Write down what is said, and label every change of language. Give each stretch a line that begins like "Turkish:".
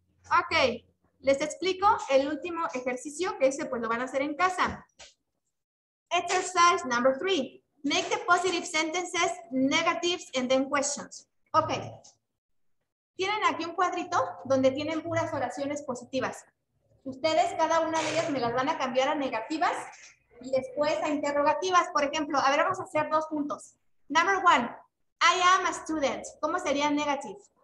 Spanish: Ok, les explico el último ejercicio, que ese pues lo van a hacer en casa.
English: Exercise number 3, Make the positive sentences, negatives, and then questions. Ok.
Spanish: Tienen aquí un cuadrito donde tienen puras oraciones positivas. Ustedes, cada una de ellas, me las van a cambiar a negativas y después a interrogativas. Por ejemplo, a ver, vamos a hacer dos juntos.
English: Number one, I am a student.
Spanish: ¿Cómo sería
English: negative?